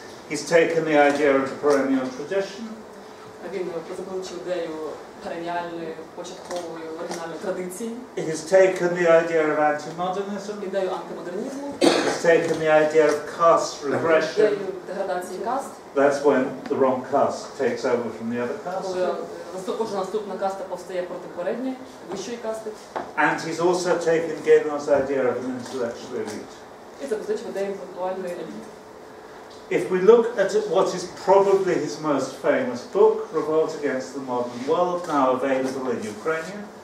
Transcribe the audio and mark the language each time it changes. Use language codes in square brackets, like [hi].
[en] He's taken the idea of the perennial tradition. [uk] Він запозичив ідею перенніальної, початкової, оригінальної традиції. [en] He's taken the idea of anti-modernism. [uk] Ідею антимодернізму. [en] He's taken the idea of caste regression. [uk] Ідею деградації каст. [en] That's when the wrong caste takes over from the other caste. [uk] Кожна наступна каста повстає проти попередньої, вищої касти. [en] And he's also taken Genon's idea of an intellectual elite. If we look at what is probably his most famous book, Revolt Against the Modern World, now available in Ukrainian.